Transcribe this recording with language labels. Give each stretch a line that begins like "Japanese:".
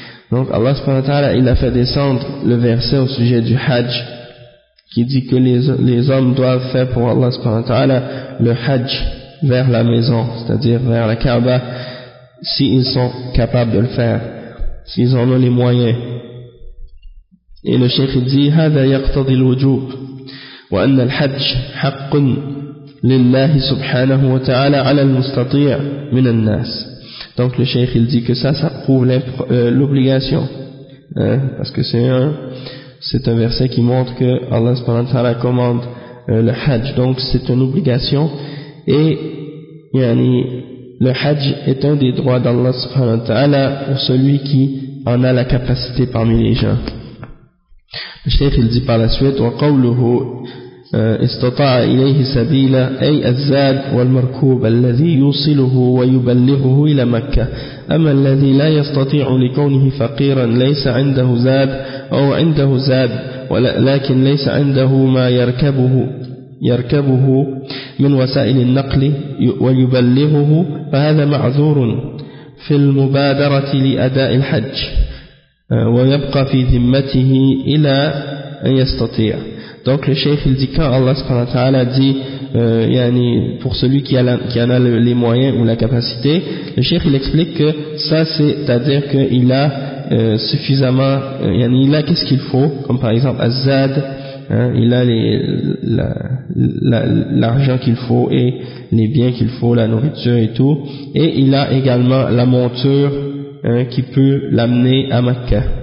French: Donc Allah subhanahu wa ta'ala il a fait descendre le verset au sujet du hajj qui dit que les hommes doivent faire pour Allah subhanahu wa ta'ala le hajj vers la maison, c'est-à-dire vers la Kaaba, s'ils sont capables de le faire, s'ils en ont les moyens. Et le cheikh dit
Arabic: هذا يقتضي الوجوب وأن الحج حق لله سبحانه وتعالى على المستطيع من الناس.
French: Donc le cheikh il dit que ça prouve l'obligation, parce que c'est un verset qui montre que Allah subhanahu wa ta'ala commande le hajj, donc c'est une obligation et le hajj est un des droits d'Allah subhanahu wa ta'ala pour celui qui en a la capacité parmi les gens. Le cheikh il dit par la suite
Arabic: وقوله استطاع إليه سبيلا أي الزاد والمركوب الذي يوصله ويبلغه إلى مكة أما الذي لا يستطيع لكونه فقيرا ليس عنده زاد أو عنده زاد ولكن ليس عنده ما يركبه من وسائل النقل ويبلغه فهذا معذور في المبادرة لأداء الحج ويبقى في ذمته إلى أن يستطيع.
French: Donc le cheikh il dit quand Allah subhanahu wa ta'ala dit pour celui qui en a les moyens ou la capacité, le cheikh il explique que ça c'est-à-dire qu'il a suffisamment, il a qu'est-ce qu'il faut, comme par exemple Azad, hein, il a les, l'argent qu'il faut et les biens qu'il faut, la nourriture et tout, et il a également la monture, hein, qui peut l'amener à Mecca.